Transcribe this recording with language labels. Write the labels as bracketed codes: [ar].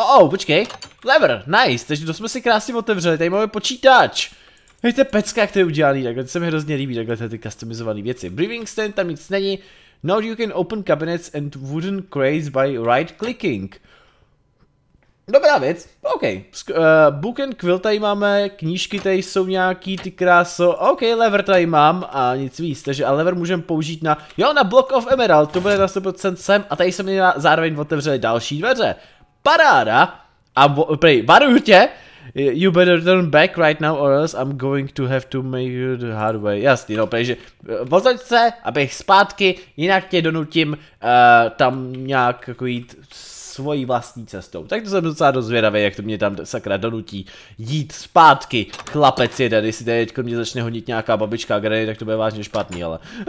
[cs] Počkej, lever, nice, takže to jsme si krásně otevřeli, tady máme počítač. Hej, to je pecka, jak to je udělaný, takhle se mi hrozně líbí, takhle ty customizované věci. Breathing stand, tam nic není. [en] Now you can open cabinets and wooden crates by right clicking. [cs] Dobrá věc, okej. Book and quill tady máme, knížky tady jsou nějaký, ty kráso. Okej, lever tady mám a nic víc, takže a lever můžeme použít na, jo, na block of emerald, to bude na 100% sem. A tady se mi zároveň otevřeli další dveře. Paráda! A varuju tě! [en] You better turn back right now or else I'm going to have to make you the hard way. [cs] Jasný, no, protože vozeď se, abych zpátky, jinak tě donutím tam nějak jako jít svojí vlastní cestou. Tak to jsem docela dozvědavý, jak to mě tam sakra donutí jít zpátky. Chlapec jeden, jestli teď mě začne honit nějaká babička granit, tak to bude vážně špatný, ale...